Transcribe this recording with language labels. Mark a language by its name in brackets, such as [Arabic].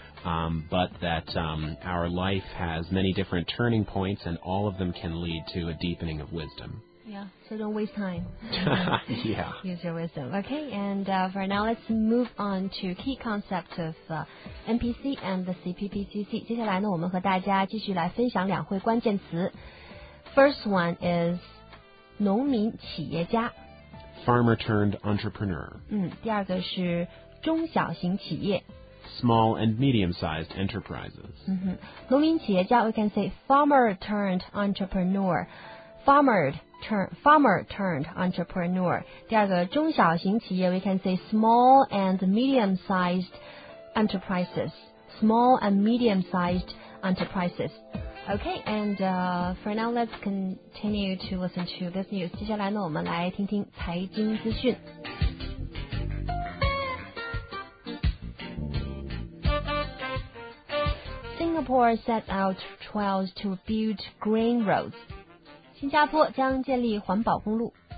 [English] But that our life has many different turning points, and all of them can lead to a deepening of wisdom. Yeah, so don't waste time. Yeah. Use your wisdom. Okay, and for now, let's move on to key concepts of NPC and the CPPCC. [Chinese] 接下来呢，我们和大家继续来分享两会关键词。 [English] First one is 农民企业家。 Farmer turned entrepreneur. [Chinese] 第二个是中小型企业。 [English] Small and medium-sized enterprises. 农民企业家 we can say farmer turned entrepreneur. Farmer turned entrepreneur. [Chinese] 第二个中小型企业 [English] we can say small and medium-sized enterprises. Small and medium-sized enterprises. Okay, and for now, let's continue to listen to this news. [Chinese] 接下来呢，我们来听听财经资讯。 [English] Singapore set out trials to build green roads. [Chinese] 新加坡将建立环保公路。